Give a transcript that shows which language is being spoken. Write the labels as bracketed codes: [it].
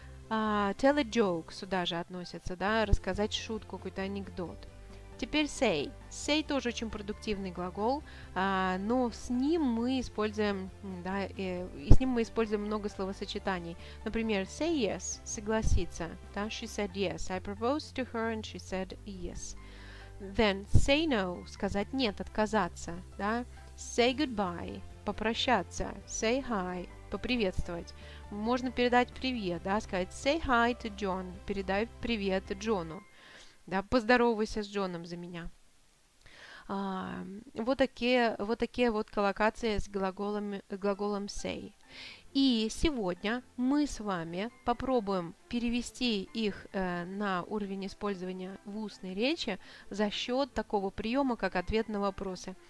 [en] Tell a joke [ru] – сюда же относится, да, рассказать шутку, какой-то анекдот. Теперь say. Say – тоже очень продуктивный глагол, но с ним мы используем, да, и с ним мы используем много словосочетаний. Например, [en] say yes [ru] – согласиться. Да? [en] She said yes. I proposed to her and she said yes. Then say no – [ru] сказать нет, отказаться. Да? [en] Say goodbye – [ru] попрощаться. [en] Say hi – [ru] поприветствовать. Можно передать привет, да, сказать [en] say hi to John [ru] – передай привет Джону. Да, поздоровайся с Джоном за меня. Вот такие коллокации с глаголом say. И сегодня мы с вами попробуем перевести их на уровень использования в устной речи за счет такого приема, как ответ на вопросы.